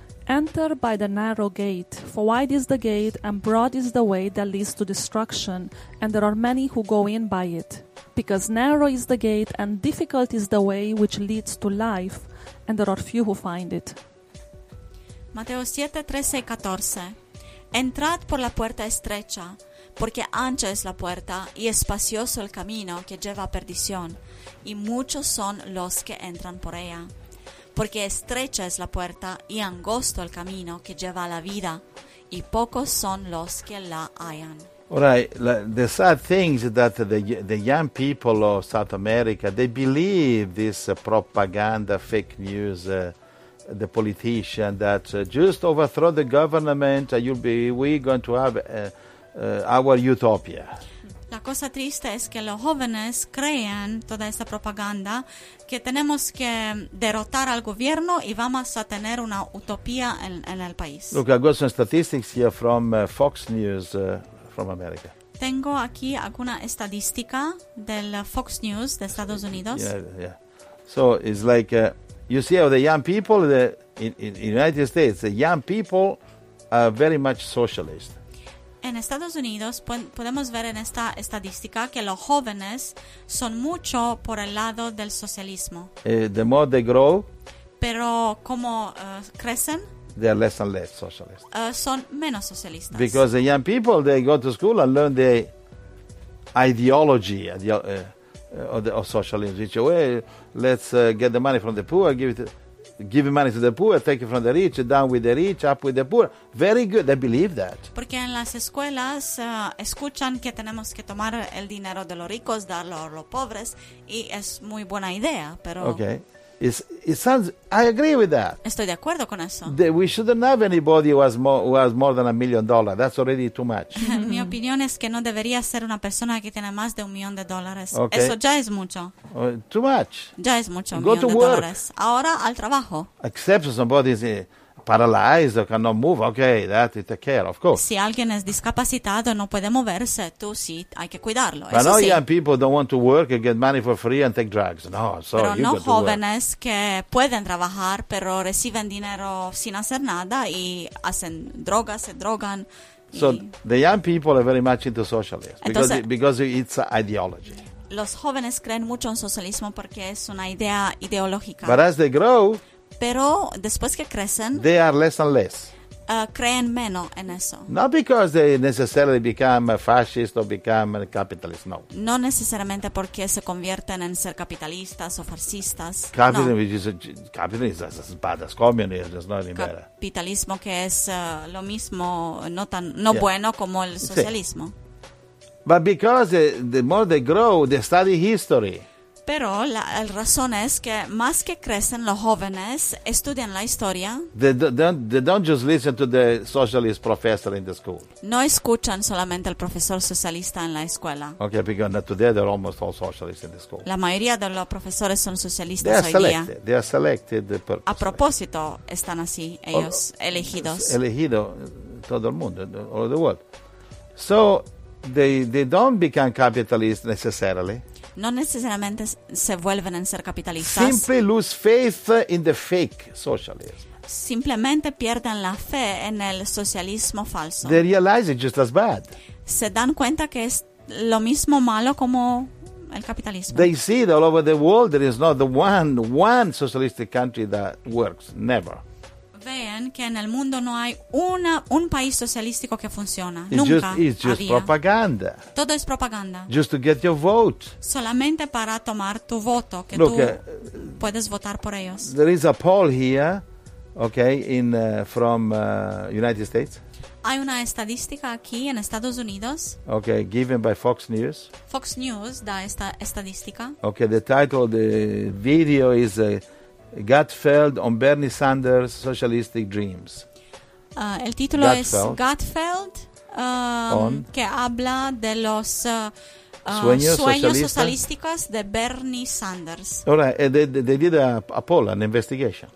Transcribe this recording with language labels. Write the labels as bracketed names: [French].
[English] Enter by the narrow gate, for wide is the gate and broad is the way that leads to destruction, and there are many who go in by it. Because narrow is the gate and difficult is the way which leads to life, and there are few who find it. [Spanish] Mateo 7:13-14. Entrad por la puerta estrecha, porque ancha es la puerta y espacioso el camino que lleva a perdición. Y muchos son los que entran por ella. Porque estrecha es la puerta y angosto el camino que lleva a la vida. Y pocos son los que la hallan. [English] All right, the sad thing is that the young people of South America, they believe this propaganda, fake news, the politician that just overthrow the government and we're going to have our utopia. [Spanish] La cosa triste es que los jóvenes creen toda esta propaganda que tenemos que derrotar al gobierno y vamos a tener una utopía en el país. [English] Look, I've got some statistics here from Fox News from America. [Spanish] Tengo aquí alguna estadística del Fox News de Estados Unidos. [English] Yeah. So it's like you see how the young people in the United States, the young people are very much socialist. [Spanish] en Estados Unidos podemos ver en esta estadística que los jóvenes son mucho por el lado del socialismo. [English] The more they grow, [Spanish] pero como crecen, [English] they are less and less socialist. [Spanish] Son menos socialistas. [English] Because the young people, they go to school and learn the ideology of socialism. Which, well, let's get the money from the poor, give money to the poor, take it from the rich, down with the rich, up with the poor. Very good. They believe that. [Spanish] Porque en las escuelas escuchan que tenemos que tomar el dinero de los ricos, darlo a los pobres, y es muy buena idea, pero... [English] Okay. It sounds. I agree with that. [Spanish] Estoy de acuerdo con eso. [English] We shouldn't have anybody who has more than $1 million. That's already too much. [Spanish] Mi opinión es que no debería ser una persona que tiene más de $1,000,000. Okay. Eso ya es mucho. [English] Too much. [Spanish] Ya es mucho. [English] Go to work. [Spanish] Ahora al trabajo. [English] Except somebody is paralyzed or cannot move. Okay, that you take care of course. [Spanish] Si alguien es discapacitado no puede moverse, tú sí hay que cuidarlo. [English] But [Spanish] eso no sí. [English] Young people don't want to work and get money for free and take drugs. No, sorry. [Spanish] Pero [English] you [Spanish] no [English] got [Spanish] jóvenes [English] to work. [Spanish] Que pueden trabajar pero reciben dinero sin hacer nada y hacen drogas, se drogan. [English] So the young people are very much into socialism. [Spanish] Entonces, [English] because it's ideology. [Spanish] Los jóvenes creen mucho en socialismo porque es una idea ideológica. [English] But as they grow. [Spanish] Pero después que crecen, [English] they are less and less. [Spanish] Creen menos en eso. [English] Not because they necessarily become a fascist or become a capitalist, no. [Spanish] No necesariamente porque se convierten en ser capitalistas o fascistas. [English] Capitalism is as bad as communism, it's not even better. [Spanish] Capitalismo que es lo mismo, no tan no yeah. bueno como el socialismo. Sí. [English] But because the more they grow, they study history. [Spanish] Pero la razón es que más que crecen los jóvenes estudian la historia. [English] They don't just listen to the socialist professor in the school. [Spanish] No escuchan solamente al profesor socialista en la escuela. [English] Okay, because today they're almost all socialists in the school. [Spanish] La mayoría de los profesores son socialistas hoy día. [English] They are selected. [Spanish] A propósito, están así ellos elegidos. Elegido todo el mundo, [English] all the world. So they don't become capitalists necessarily. [Spanish] No necesariamente se vuelven a ser capitalistas. [English] Simply lose faith in the fake socialism. [Spanish] Simplemente pierden la fe en el socialismo falso. [English] They realize it's just as bad. [Spanish] Se dan cuenta que es lo mismo malo como el capitalismo. [English] They see that all over the world there is not the one socialistic country that works. Never. [Spanish] Ven que en el mundo no hay un país socialístico que funciona. [English] It's [Spanish] nunca [English] just, it's just [Spanish] había. [English] Propaganda. [Spanish] Todo es propaganda. [English] Just to get your vote. [Spanish] Solamente para tomar tu voto, que [English] look, [Spanish] tú puedes votar por ellos. [English] There is a poll here, okay, in from United States. [Spanish] Hay una estadística aquí en Estados Unidos. [English] Okay, given by Fox News. [Spanish] Fox News da esta estadística. [English] Okay, the title of the video is... Gutfeld on Bernie Sanders' socialistic dreams. [Spanish] El título es Gutfeld, que habla de los sueños socialísticos de Bernie Sanders. [English] All right, they did a poll, an investigation.